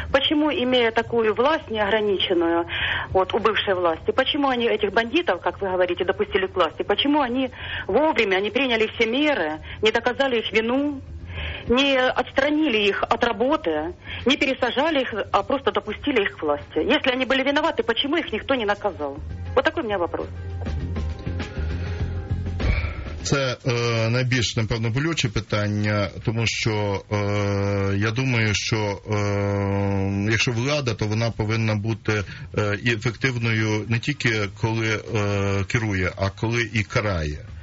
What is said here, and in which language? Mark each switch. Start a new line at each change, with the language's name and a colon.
Ukrainian: Чому, імея таку власть неограниченную, у бывшей власті, чому вони, цих бандитів, як ви говорите, допустили к власті, чому вони вовремя, вони прийняли всі міри, не доказали їх вину,
Russian: не отстранили их от работы, не пересажали их, а просто допустили их к власти. Если они были виноваты, почему их никто не наказал? Вот такой у меня вопрос.
Ukrainian: Це найбільш, напевно, болюче питання, тому що я думаю, що якщо влада, то вона повинна бути ефективною не тільки коли керує, а коли і карає.